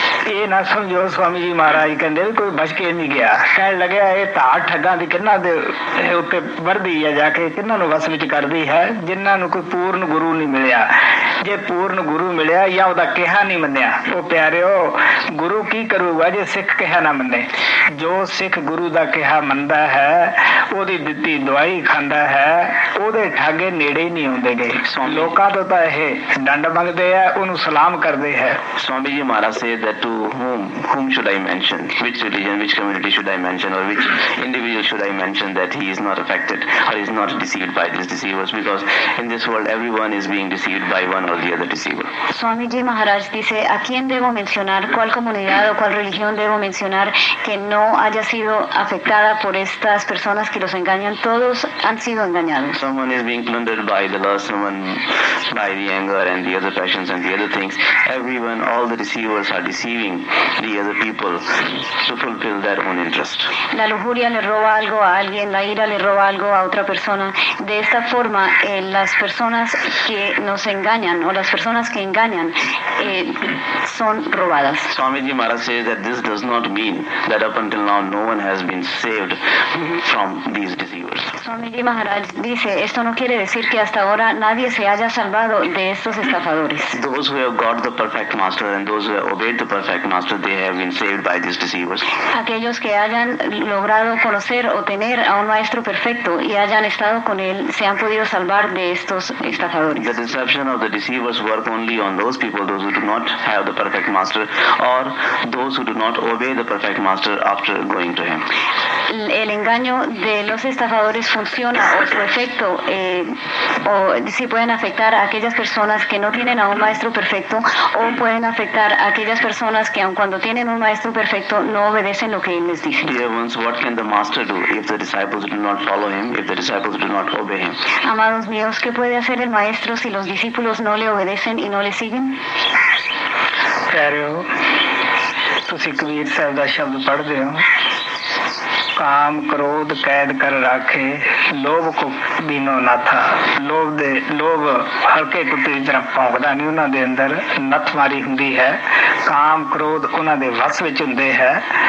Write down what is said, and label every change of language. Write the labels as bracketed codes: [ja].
[pa] ਇਹ ਨਾ ਸਮਝੋ ਸਵਾਮੀ ਜੀ ਮਹਾਰਾਜ ਕਹਿੰਦੇ ਵੀ ਕੋਈ ਬਚ ਕੇ ਨਹੀਂ ਗਿਆ ਕਹਿਣ ਲੱਗਿਆ ਇਹ ਧਾਰ ਠੱਗਾਂ ਦੀ ਕਿੰਨਾ ਦੇ ਉੱਤੇ ਵਰਦੀ ਹੈ ਜਾ ਕੇ ਕਿੰਨਾ ਨੂੰ ਵਸ ਵਿੱਚ ਕਰਦੀ ਹੈ ਜਿਹਨਾਂ ਨੂੰ ਕੋਈ ਪੂਰਨ ਗੁਰੂ ਨਹੀਂ ਮਿਲਿਆ ਜੇ ਪੂਰਨ ਗੁਰੂ ਮਿਲਿਆ ਜਾਂ ਉਹਦਾ ਕਿਹਾ ਨਹੀਂ ਮੰਨਿਆ ਉਹ ਪਿਆਰਿਓ ਗੁਰੂ ਕੀ ਕਰੂਗਾ ਜੇ ਸਿੱਖ ਕਿਹਾ ਨਾ ਮੰਨੇ ਜੋ ਸਿੱਖ ਗੁਰੂ ਦਾ ਕਿਹਾ ਮੰਨਦਾ ਹੈ ਉਹਦੀ ਦਿੱਤੀ ਦਵਾਈ ਖਾਂਦਾ ਹੈ ਉਹਦੇ ਠੱਗੇ ਨੇੜੇ ਨਹੀਂ ਆਉਂਦੇ ਗਏ ਲੋਕਾਂ ਤੋਂ ਤਾਂ ਇਹ ਡੰਡ ਮੰਗਦੇ ਆ ਉਹਨੂੰ ਸਲਾਮ ਕਰਦੇ ਹੈ [en] Swami ji Maharaj say that to whom should I mention, which religion, which community should I mention, or which individual should I mention that he is not affected or is not deceived by these deceivers, because in this world everyone is being deceived by one or the other deceiver. [es] Swami ji Maharaj dice, ¿a quién debo mencionar, cuál comunidad o cuál religión debo mencionar que no haya sido afectada por estas personas que los engañan? Todos han sido engañados. [en] Someone is being plundered by the lust, someone by the anger and the other passions and the other things. Everyone, all the deceivers are deceiving the other people to fulfill their own interest. [es] La lujuria le roba algo a alguien, la ira le roba algo a otra persona. De esta forma, las personas que nos engañan o las personas que engañan son robadas. [en] Swamiji Maharaj says that this does not mean that up until now no one has been saved from these deceivers. [es] Swamiji Maharaj dice, esto no quiere decir que hasta ahora nadie se haya salvado de estos estafadores. [en] Those who have got the perfect master and those who have obeyed the perfect master, they have been saved by these deceivers. [es] Aquellos que hayan logrado conocer o tener a un maestro perfecto y hayan estado con él, se han podido salvar de estos estafadores. [en] The deception of the deceivers work only on those people, those who do not have the perfect master or those who do not obey the perfect master after going to him. [es] El engaño de los estafadores funciona o su efecto o si pueden afectar a aquellas personas que no tienen a un maestro perfecto o pueden afectar a aquellas personas que aun cuando tienen un maestro perfecto no obedecen lo que él les dice. [en] Dear ones, what can the master do if the disciples do not follow him, if the disciples do not obey him? [es] Amados míos, ¿qué puede hacer el maestro si los discípulos no le obedecen y no le siguen? [pa] ਪਿਆਰਿਓ ਤੁਸੀਂ ਕਬੀਰ ਸਾਹਿਬ ਦਾ ਸ਼ਬਦ ਪੜ੍ਹਦੇ ਹੋ ਕਾਮ ਕ੍ਰੋਧ ਕੈਦ ਕਰ ਰਾਖੇ ਲੋਭ ਕੋ ਬਿਨੋ ਨਾਥਾ ਲੋਭ ਦੇ ਲੋਭ ਹਲਕੇ ਕੁੱਤੇ ਦੀ ਤਰ੍ਹਾਂ ਭੌਂਕਦਾ ਨਹੀਂ ਉਹਨਾਂ ਦੇ ਅੰਦਰ ਨੱਥ ਮਾਰੀ ਹੁੰਦੀ ਹੈ ਕਾਮ ਕ੍ਰੋਧ ਉਹਨਾਂ ਦੇ ਵੱਸ ਵਿੱਚ ਹੁੰਦੇ ਹੈ